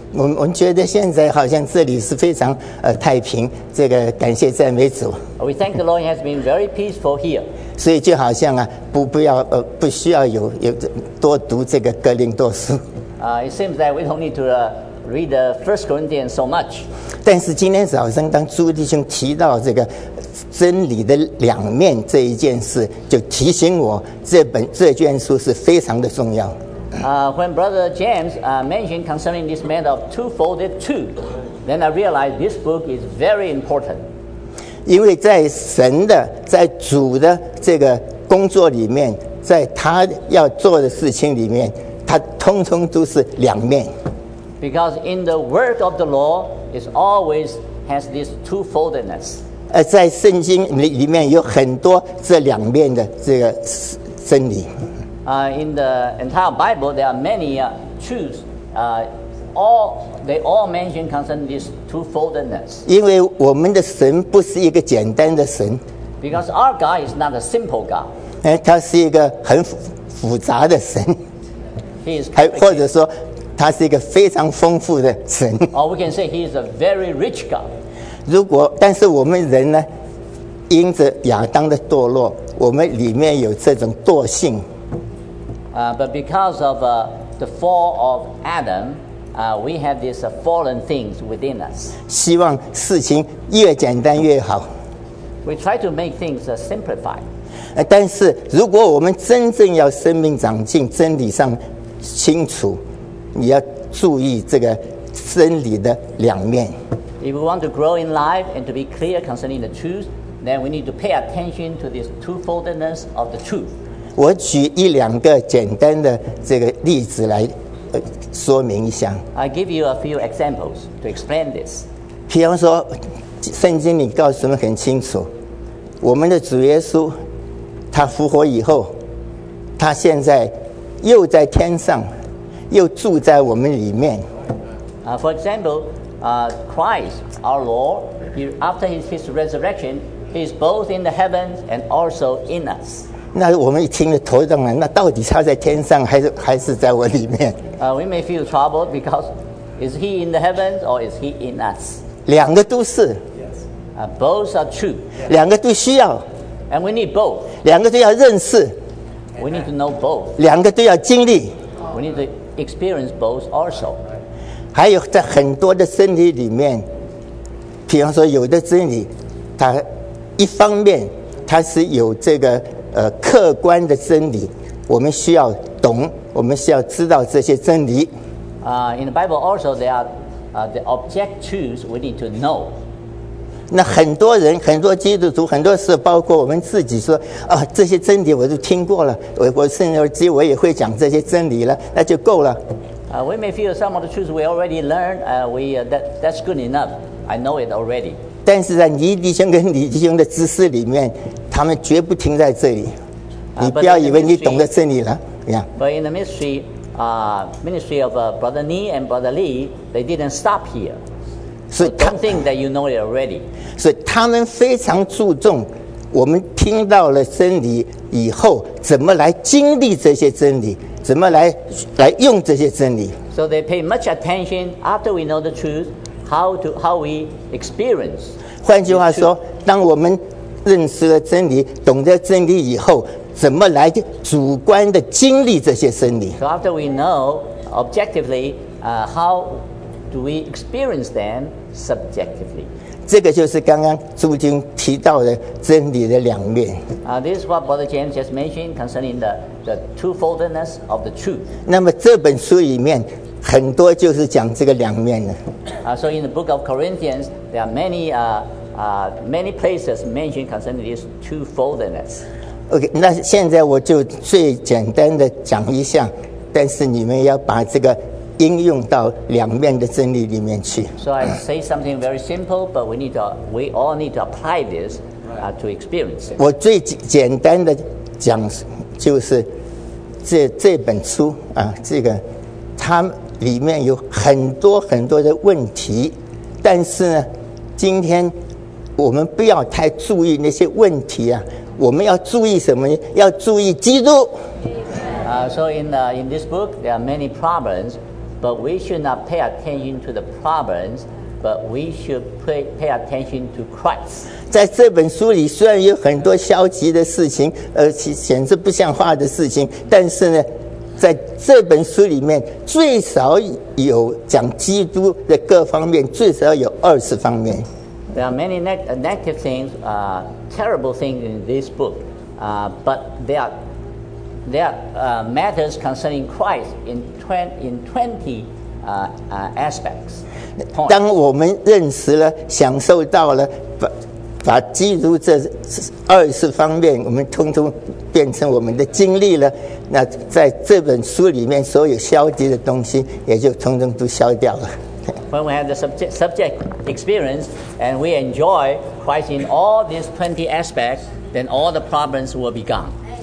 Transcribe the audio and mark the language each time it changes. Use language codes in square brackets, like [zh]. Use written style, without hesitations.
[zh] 我们觉得现在好像这里是非常太平，这个感谢赞美主。 [en] We thank the Lord has been very peaceful here. [zh] 所以就好像啊，不需要有多读这个哥林多书。 [en] It seems that we don't need to read the First Corinthians so much. [zh] 但是今天早上当朱弟兄提到这个真理的两面这一件事，就提醒我这卷书是非常的重要。 [en] When Brother James mentioned concerning this matter of twofolded truth, then I realized this book is very important. [zh] 因为在神的、在主的这个工作里面，在他要做的事情里面，他通通都是两面。 [en] Because in the work of the law, it always has this twofoldedness. [zh] 在圣经里面有很多这两面的这个真理。 [en] In the entire Bible, there are many truths. They all mention concerning this twofoldedness. [zh] 因为我们的神不是一个简单的神。 [en] Because our God is not a simple God. [zh] 他是一个很复杂的神。 [en] He is complicated. [zh] 或者说，他是一个非常丰富的神。 [en] Or we can say he is a very rich God. [zh] 如果但是我们人呢，因着亚当的堕落，我们里面有这种惰性。 [en] But because of the fall of Adam, we have these fallen things within us. [zh] 希望事情越简单越好。 [en] We try to make things simplified. [zh] 但是如果我们真正要生命长进，真理上清楚，你要注意这个真理的两面。 [en] If we want to grow in life and to be clear concerning the truth, then we need to pay attention to this twofoldedness of the truth. [zh] 我举一两个简单的这个例子来说明一下。 [en] I give you a few examples to explain this. [zh] 比方说，圣经里告诉我们很清楚，我们的主耶稣，他复活以后，他现在又在天上，又住在我们里面。 [en] For example, Christ, our Lord, after his resurrection, he is both in the heavens and also in us. [zh] 那我们一听了头上了，那到底他在天上还是在我里面？ [en] We may feel troubled because is he in the heavens or is he in us? [zh] 两个都是。 [en] Yes. Both are true. [zh] 两个都需要。 [en] And we need both. [zh] 两个都要认识。 [en] We need to know both. [zh] 两个都要经历。 [en] We need to experience both also. [zh] 还有在很多的真理里面，比方说有的真理，它一方面它是有这个。客观的真理，我们需要懂，我们需要知道这些真理。 [en] In the Bible also there are the object truths we need to know. [zh] 那很多人，很多基督徒，很多事，包括我们自己说，这些真理我都听过了，我甚至我也会讲这些真理了，那就够了。 [en] We may feel some of the truths we already learned. That's good enough. I know it already. [zh] 但是在你弟兄跟你弟兄的知识里面，他们绝不停在这里。你不要以为你懂得真理了，呀。 [en] But in the ministry, ministry of Brother Ni and Brother Lee, they didn't stop here. [zh] 所以 [en] don't think that you know it already. [zh] 所以他们非常注重我们听到了真理以后怎么来经历这些真理，怎么 来用这些真理。 [en] So they pay much attention after we know the truth, how we experience. [zh] 换句话说，当我们认识了真理，懂得真理以后，怎么来主观的经历这些真理。 [en] So after we know objectively, how do we experience them subjectively? [zh] 这个就是刚刚朱经提到的真理的两面。 [en] This is what Brother James just mentioned concerning the twofoldness of the truth. [zh] 那么这本书里面很多就是讲这个两面的。 [en] So in the book of Corinthians, there are many places mentioned concerning this twofoldness. [zh] OK, 那现在我就最简单的讲一下，但是你们要把这个应用到两面的真理里面去。 [en] So I say something very simple, but we all need to apply this to experience it. [zh] 我最简单的讲就是这本书啊，这个它里面有很多很多的问题，但是呢，今天我们不要太注意那些问题啊，我们要注意什么？要注意基督。 [en] So in this book there are many problems. But we should not pay attention to the problems, but we should pay attention to Christ. [zh] 在这本书里虽然有很多消极的事情，而且显示不像话的事情，但是呢，在这本书里面最少有讲基督的各方面，最少有二十方面。 [en] There are many negative things, terrible things in this book, but there are matters concerning Christ in 20 aspects. [zh] 当我们认识了享受到了 把基督这二十方面我们通通变成我们的经历了，那在这本书里面所有消极的东西也就通通都消掉了。 [en] When we have the subject experience and we enjoy Christ in all these 20 aspects, then all the problems will be gone.